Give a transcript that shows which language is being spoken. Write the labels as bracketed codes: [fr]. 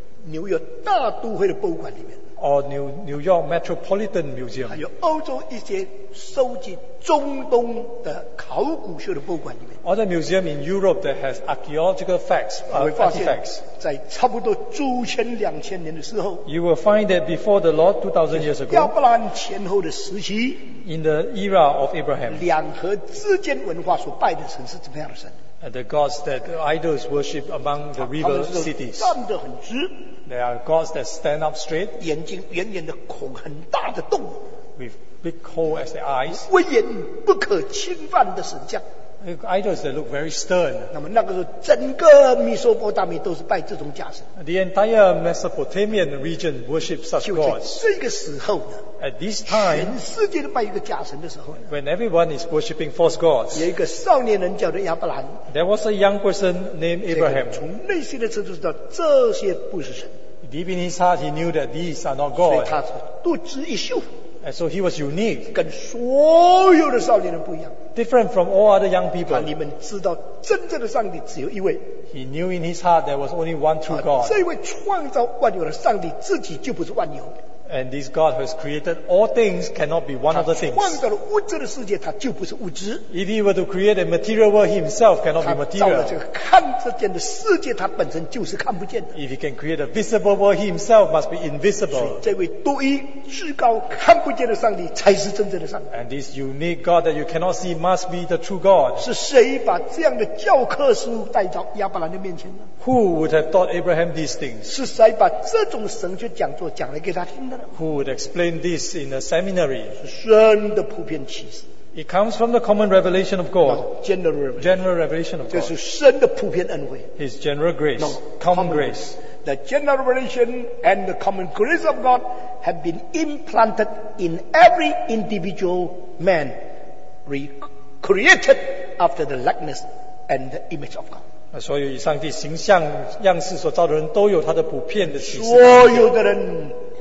[zh] 或者这个纽约大都会的博物馆里面, [en] or New York Metropolitan Museum, [zh] 还有欧洲一些收集中东的考古学的博物馆里面, [en] or the museum in Europe that has archaeological facts, artifacts, [zh] 在差不多主前2000年的时候, [en] you will find that before the Lord 2000 years ago, [zh] 亚伯兰前后的时期, [en] in the era of Abraham, [zh] 两河之间文化所拜的神是怎么样的神, [en] and the gods that the idols worship among the river cities, there are gods that stand up straight, [zh] 眼睛圆圆的孔很大的洞, [en] with big hole as the eyes, [zh] 威严不可侵犯的神像, [en] idols that look very stern. [zh] 那么那个时候整个米索波达米都是拜这种假神, [en] the entire Mesopotamian region worship such gods. [zh] 就在这个时候呢, [en] at this time, [zh] 全世界都拜一个假神的时候, [en] when everyone is worshipping false gods, [zh] 有一个少年人叫做亚伯兰, [en] there was a young person named Abraham. [zh] 从内心的程度知道这些不是神, [en] deep in his heart he knew that these are not gods. [zh] 所以他肚子一秀, [en] and so he was unique, [zh] 跟所有的少年人不一样, [en] different from all other young people. [zh] 他里面知道真正的上帝只有一位, [en] he knew in his heart there was only one true God. [zh] 这位创造万有的上帝自己就不是万有, [en] and this God who has created all things cannot be one of the things. [zh] 他创造了物质的世界, 他就不是物质, [en] if he were to create a material world, he himself cannot be material. [zh] 他造了这个看得见的世界, 他本身就是看不见的, [en] if he can create a visible world, he himself must be invisible. [zh] 所以这位独一至高看不见的上帝才是真正的上帝, [en] and this unique God that you cannot see must be the true God. [zh] 是谁把这样的教科书带到亚伯兰的面前呢? [en] Who would have taught Abraham these things? [zh] 是谁把这种神学讲座讲来给他听的呢? [en] Who would explain this in a seminary? [zh] 神的普遍启示, [en] it comes from the common revelation of God. No, general revelation. General revelation of God. [zh] 这是神的普遍恩惠, [en] his general grace. No, common grace. The general revelation and the common grace of God have been implanted in every individual man, recreated after the likeness and the image of God. [zh] 所有以上帝形象样式所造的人都有他的普遍的启示。所有的人